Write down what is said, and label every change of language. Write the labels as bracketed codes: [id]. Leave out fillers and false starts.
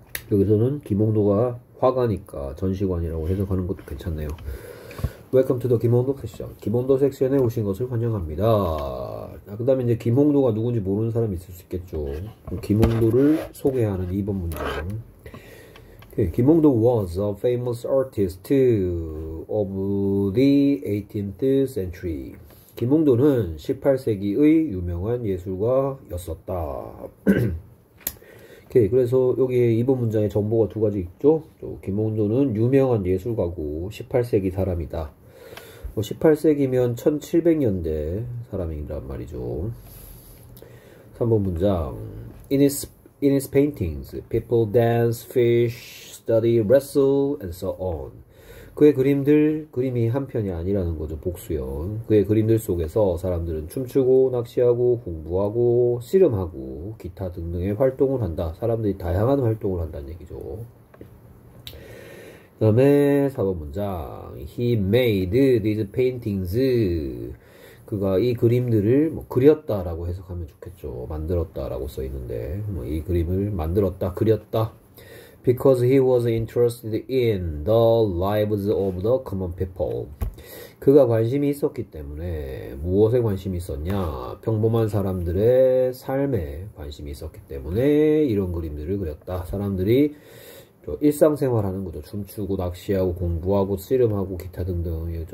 [ko] 여기서는 김홍도가 화가니까 전시관이라고 해석하는 것도 괜찮네요. [en] Welcome to the 김홍도 섹션. [ko] 김홍도 섹션에 오신 것을 환영합니다. 그 다음에 이제 김홍도가 누군지 모르는 사람이 있을 수 있겠죠. 김홍도를 소개하는 2번 문장. [en] 김홍도 was a famous artist of the 18th century. [ko] 김홍도는 18세기의 유명한 예술가였었다. 오케이, 그래서 여기 2번 문장에 정보가 두 가지 있죠. 또 김홍도는 유명한 예술가고 18세기 사람이다. 뭐 18세기면 1700년대 사람이란 말이죠. 3번 문장. [en] In his paintings, people dance, fish, study, wrestle, and so on. [ko] 그의 그림들, 그림이 한 편이 아니라는 거죠. 복수형. 그의 그림들 속에서 사람들은 춤추고, 낚시하고, 공부하고, 씨름하고, 기타 등등의 활동을 한다. 사람들이 다양한 활동을 한다는 얘기죠. 그 다음에 4번 문장. He made these paintings. 그가 이 그림들을 뭐 그렸다라고 해석하면 좋겠죠. 만들었다라고 써 있는데. 뭐이 그림을 만들었다, 그렸다. [en] Because he was interested in the lives of the common people. [ko] 그가 관심이 있었기 때문에, 무엇에 관심이 있었냐? 평범한 사람들의 삶에 관심이 있었기 때문에 이런 그림들을 그렸다. 사람들이 일상생활하는 거죠. 춤추고, 낚시하고, 공부하고, 씨름하고, 기타 등등.